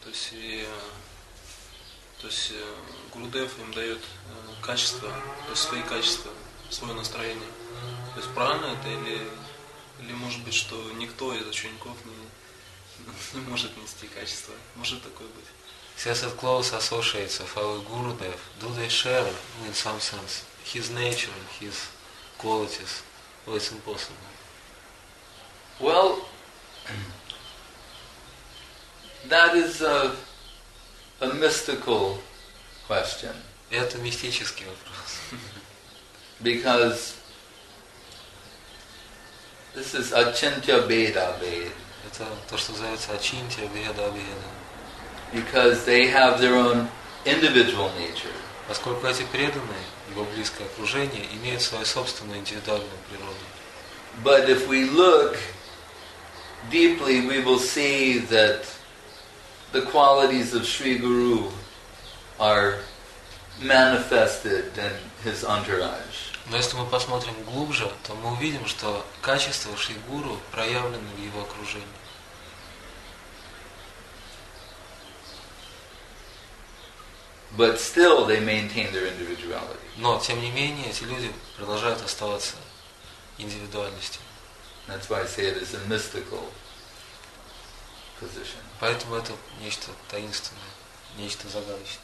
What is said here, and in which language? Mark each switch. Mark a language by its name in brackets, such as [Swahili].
[Russian] То есть Гурудев им дает качество, то есть свои качества, свое настроение. То есть правильно это или может быть, что никто из учеников не может нести качество? Может такое быть? [English] Since it close associates of our Gurudev, do they share in some sense his nature, his qualities? Or it's impossible? Well, that is a mystical question. [Russian] Это мистический вопрос. [English] Because this is Achintya Bheda Bheda. [Russian] Это то, что называется Achintya Bheda Bheda. [English] Because they have their own individual nature. [Russian] Поскольку эти преданные, его близкое окружение, имеют свою собственную индивидуальную природу. [English] But if we look deeply, we will see that the qualities of Sri Guru are manifested in his entourage. [Russian] Но если мы посмотрим глубже, то мы увидим, что качества Шри Гуру проявлены в его окружении. [English] But still they maintain their individuality. [Russian] Но тем не менее эти люди продолжают оставаться индивидуальностью. [English] That's why I say it is a mystical position. [Russian] Поэтому это нечто таинственное, нечто загадочное.